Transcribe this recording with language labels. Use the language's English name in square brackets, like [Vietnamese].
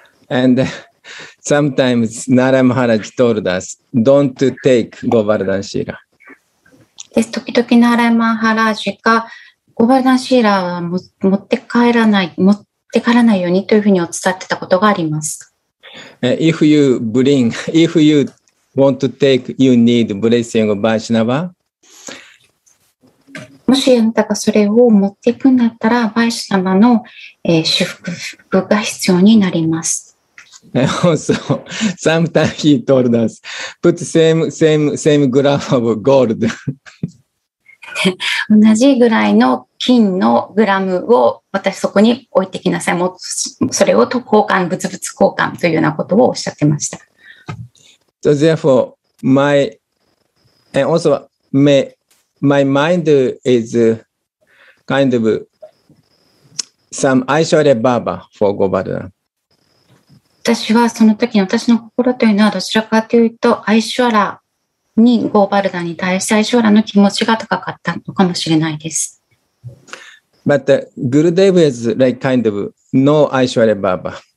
[English] And sometimes Nara Maharaj told us, "Don't take ゴーバルダンシーラ." [Japanese] で時々ナラマハラジがゴーバルダンシーラは持って帰らない持って帰らないようにというふうにお伝えしてたことがあります。 [English] If you bring, if you want to take, you need blessing of Vaishnava. [Japanese] もしあなたがそれを持っていくんだったら、Vaishnava の祝福が必要になります。 [English] Also, sometimes he told us, put same graph of gold. [Japanese] 同じぐらいの金のグラムを私そこに置いてきなさい。もうそれと交換、物々交換というようなことをおっしゃってました。 [English] So therefore, my and also my mind is kind of some Aishwarya Baba for Govardhan. [Japanese] 私はその時に私の心というのはどちらかというと Aishwaraにゴーバルダンに対して相性らの気持ちが高かったのかもしれないです。 [English] But Gurudev is like kind of no Aishwarya Baba.